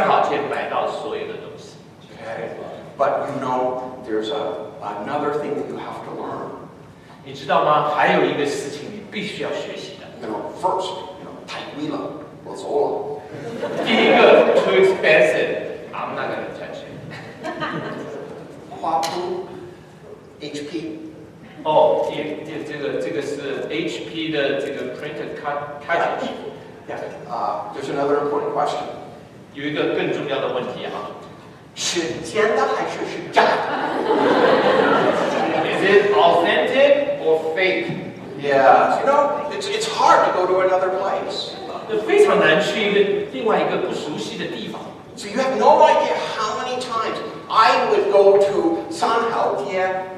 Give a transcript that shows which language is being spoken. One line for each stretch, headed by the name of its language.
Chinese: 你可以到三号街买到所有的东西.
English: But you know, there's another thing that you have to learn.
Chinese: 你知道吗? 还有一个事情你必须要学习的.
English: You know, first, you know,
Chinese: 太贵了,我走了. 第一个,
English: too expensive. I'm not going to touch it.
Chinese: 夸父, HP. 哦,这个是 HP的这个
English: printed cartridge. Yeah, there's another important question.
Chinese: 有一个更重要的问题啊。是真的还是假的？Is
English: it authentic or fake? Yeah, you know, it's hard to go to another place.
Chinese: 非常难去另外一个不熟悉的地方。So
English: you have no idea how many times I would go to 三好街.